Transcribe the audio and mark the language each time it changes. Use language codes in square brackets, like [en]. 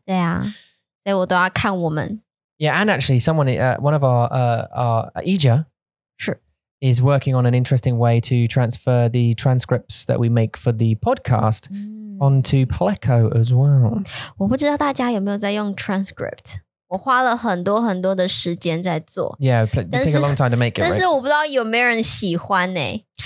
[zh] 对啊所以我都要看我们 [en] Yeah, and actually someone, one of our Eja [zh] 是 [en] is working on an interesting way to transfer the transcripts that we make for the podcast、mm. onto Pleco as well [zh] 我不知道大家有没有在用 transcript我花了很多很多的时间在做 [en] Yeah, you take a long time to make it, [zh] 但是、 [en] right? [zh] 我不知道有没有人喜欢、欸、